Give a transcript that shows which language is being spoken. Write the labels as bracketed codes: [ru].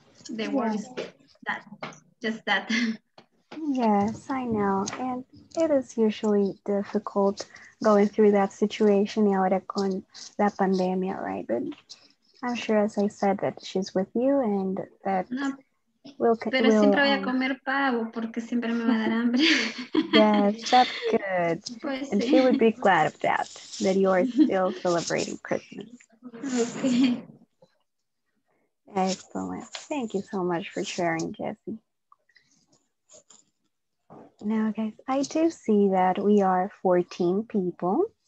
[en] The world is that, just that. Yes, I know. And it is usually difficult going through that situation [es] ahora con la pandemia, [en] right? But I'm sure, as I said, that she's with you and that... No. [es] Siempre voy a comer pavo porque siempre me va a dar hambre. [en] Yes, that's good. Pues, and sí. She would be glad of that, that you are still celebrating Christmas. Okay. Excellent. Thank you so much for sharing, Jesse. Now, guys, I do see that we are 14 people.